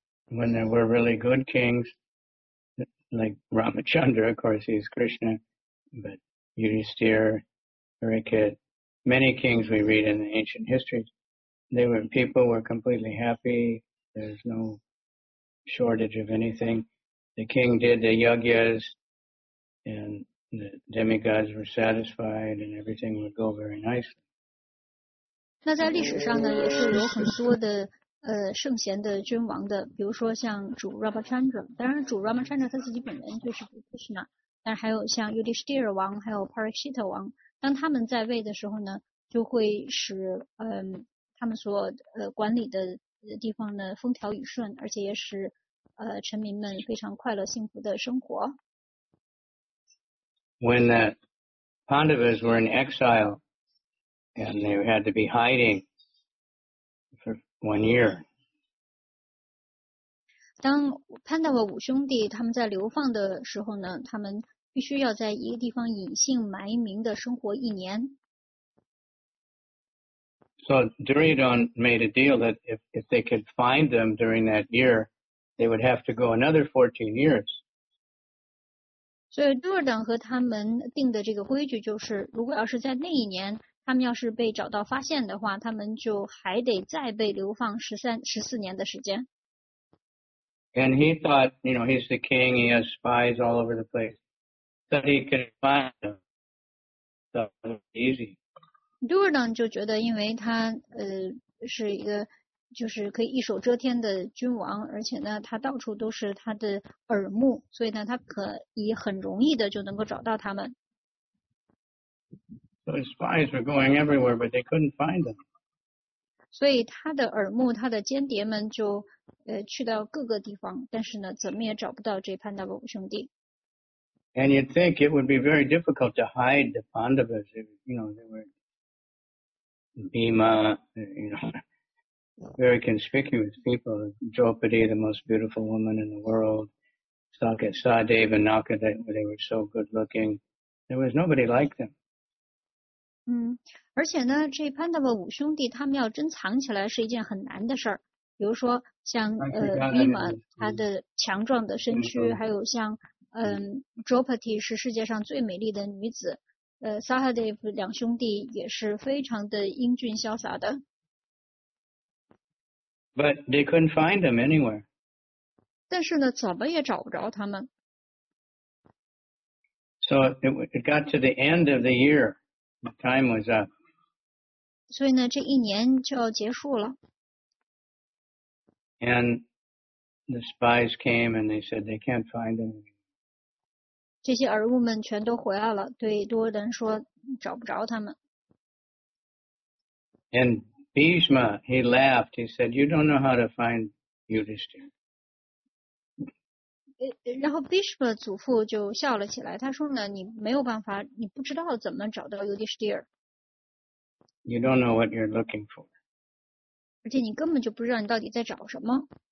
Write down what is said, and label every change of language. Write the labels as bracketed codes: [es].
[en] When there were really good kings, like Ramachandra, of course, he's Krishna, but Yudhisthira, Harikat, many kings we read in the ancient histories, people were completely happy, there's no shortage of anything. The king did the yajnas, and the demigods were satisfied, and everything would go very nicely. [zh] 那在历史上呢，也是有很多的圣贤的君王的，比如说像主 Ramachandra， 当然主 Ramachandra 他自己本人就是 Krishna， 但是还有像 Yudhisthira 王，还有 Parikshit 王，当他们在位的时候呢，就会使他们所管理的地方呢风调雨顺，而且也使臣民们非常快乐幸福的生活。 [en] When the Pandavas were in exile and they had to be hiding for one year. [zh] 当 Pandava 五兄弟他们在流放的时候呢，他们必须要在一个地方隐姓埋名的生活一年。 [en] So Duryodhana made a deal that if they could find them during that year, they would have to go another 14 years. [zh] 所以 Duryodhana 和他们定的这个规矩就是，如果要是在那一年他们要是被找到发现的话，他们就还得再被流放14年的时间。 [en] And he thought, you know, he's the king, he has spies all over the place, so he can find them. So easy. [zh] Duryodhana 就觉得，因为他是一个就是可以一手遮天的君王，而且呢，他到处都是他的耳目，所以呢，他可以很容易的就能够找到他们。 [en] So his spies were going everywhere, but they couldn't find them. [zh] 所以他的耳目，他的间谍们就去到各个地方，但是呢，怎么也找不到这Pandava兄弟。 [en] And you'd think it would be very difficult to hide the Pandavas. You know, they were Bhima, you know, very conspicuous people. Draupadi, the most beautiful woman in the world. Sahadeva and Naka, they were so good looking. There was nobody like them. [zh] 而且呢，这潘达瓦五兄弟他们要珍藏起来是一件很难的事儿。比如说像Bhima，他的强壮的身躯，还有像Draupadi 是世界上最美丽的女子，Sahadev 两兄弟也是非常的英俊潇洒的。 [en] But they couldn't find them anywhere. [zh] 但是呢，怎么也找不着他们。 [en] So it got to the end of the year. The time was up. [zh] 所以呢，这一年就要结束了。 [en] And the spies came and they said they can't find them. [zh] 这些耳物们全都回来了，对多人说找不着他们。 [en] And Bhishma, he laughed. He said, "You don't know how to find Yudhishthira." [zh] 然后 Bhishma 祖父就笑了起来，他说呢，你没有办法，你不知道怎么找到 Yudhishthira。 [en] You don't know what you're looking for. [zh] 而且你根本就不知道你到底在找什么。